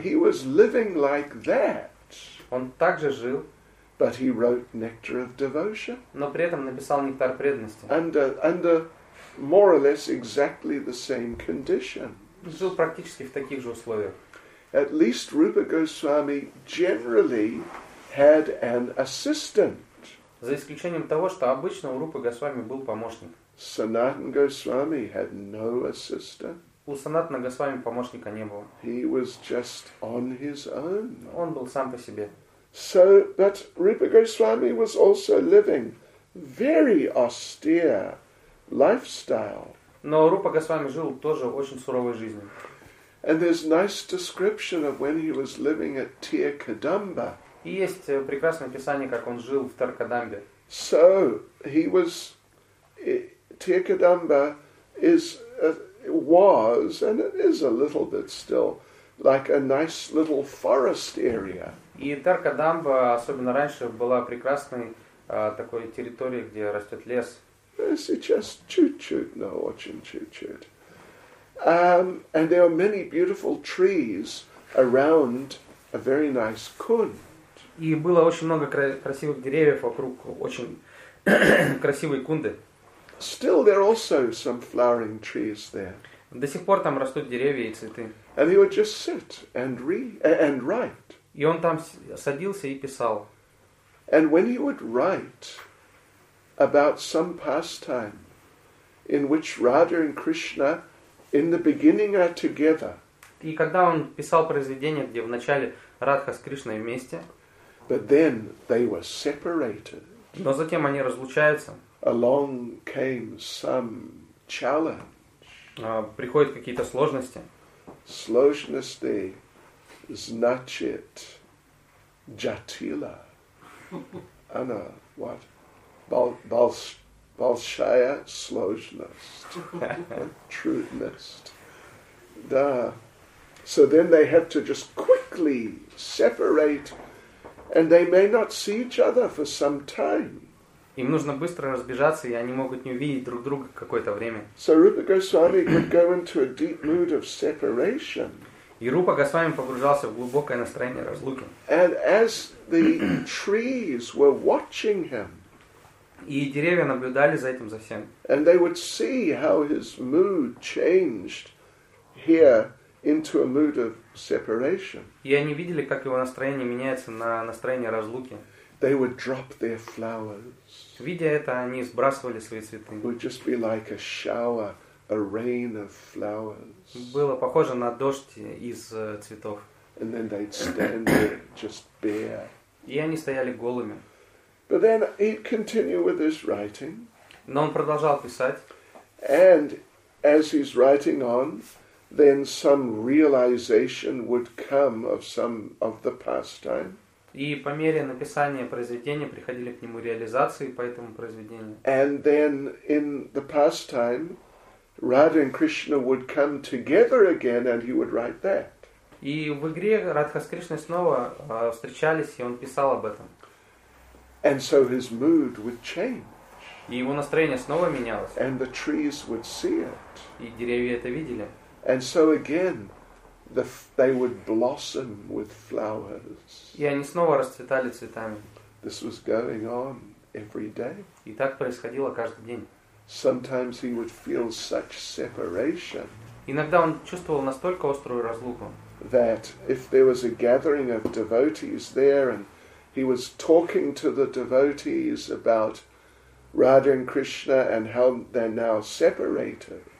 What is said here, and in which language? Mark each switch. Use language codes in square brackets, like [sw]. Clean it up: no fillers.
[en] He was living like that. [ru] Он также жил. [en] But he wrote Nectar of Devotion. [ru] Но при этом написал Нектар преданности. [en] Under more or less exactly the same conditions. [ru] Жил практически в таких же условиях. [en] At least Rupa Goswami generally had an assistant. [ru] За исключением того, что обычно у Рупы Госвами был помощник. [en] Sanatana Goswami had no assistant. [ru] У Санатана Госвами помощника не было. [en] He was just on his own. [ru] Он был сам по себе. [en] So, but Rupa Goswami was also living very austere lifestyle. [ru] Но Рупа Госвами жил тоже очень суровой жизнью. [en] And there's nice description of when he was living at Tir Kadamba. [ru] И есть прекрасное описание, как он жил в Таркадамбе. [en] So he was Tir Kadamba is was and it is a little bit still like a nice little forest area. [ru] И Таркадамба, особенно раньше, была прекрасной такой территорией, где растет лес. Сейчас чуть-чуть, но очень чуть-чуть. [en] And there are many beautiful trees around a very nice kund. [ru] И было очень много красивых деревьев вокруг, очень красивые кунды. [en] Still, there are also some flowering trees there. [ru] До сих пор там растут деревья и цветы. [en] And he would just sit and read and write. [ru] И он там садился и писал. [en] And when he would write about some pastime in which Radha and Krishna in the beginning are together. [ru] И когда он писал произведение, где вначале Радха с Кришной вместе. [en] But then they were separated. [ru] Но затем они разлучаются. [en] Along came some challenge. [ru] Приходят какие-то сложности. Сложности значит джатила. Она, what? Большая сложность. Трудность. Да. [en] So then they had to just quickly separate and they may not see each other for some time. [ru] Им нужно быстро разбежаться, и они могут не увидеть друг друга какое-то время. [en] So Rupa Goswami would go into a deep mood of separation. [ru] И Рупа Госвами погружался в глубокое настроение разлуки. [en] And as the trees were watching him. [ru] И деревья наблюдали за этим, за всем. [en] And they would see how his mood changed here into a mood of separation. [ru] И они видели, как его настроение меняется на настроение разлуки. [en] They would drop their flowers. [ru] Видя это, они сбрасывали свои цветы. [en] It would just be like a shower, a rain of flowers. [ru] Было похоже на дождь из цветов. [en] And then they'd stand there just bare. [ru] И они стояли голыми. [en] But then he'd continue with his writing. [ru] Но он продолжал писать. [en] And as he's writing on, then some realization would come of some of the pastime. [ru] И по мере написания произведения приходили к нему реализации по этому произведению. [en] And then in the pastime, Radha and Krishna would come together again, and he would write that. [ru] И в игре Радха с Кришной снова встречались, и он писал об этом. [en] And so his mood would change. [ru] И его настроение снова менялось. [en] And the trees would see it. [ru] И деревья это видели. [en] And so again, they would blossom with flowers. [ru] И они снова расцветали цветами. [en] This was going on every day. [ru] И так происходило каждый день. [en] Sometimes he would feel such separation. [ru] Иногда он чувствовал настолько острую разлуку. [en] That if there was a gathering of devotees there and he was talking to the devotees about Radha and Krishna and how they're now separated.